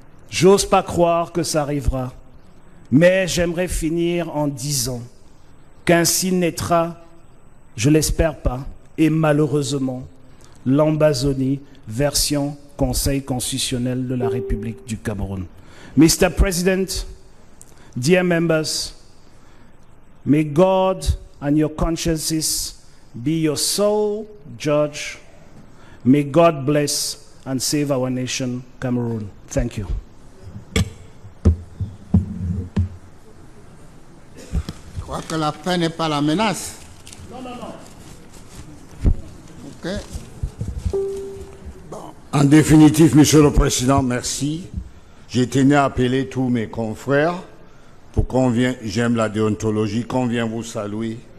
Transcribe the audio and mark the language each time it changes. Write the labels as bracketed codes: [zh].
[fr] J'ose pas croire que ça arrivera, mais j'aimerais finir en disant qu'ainsi naîtra, je l'espère pas, et malheureusement, l'Ambazoni version Conseil constitutionnel de la République du Cameroun. [en] Mr. President, dear members, may God and your consciences be your sole judge. May God bless and save our nation, Cameroon. Thank you. [fr] Je crois que la fin n'est pas la menace. Non. OK. En définitive, Monsieur le Président, merci. J'ai tenu à appeler tous mes confrères pour qu'on vienne, j'aime la déontologie, qu'on vienne vous saluer.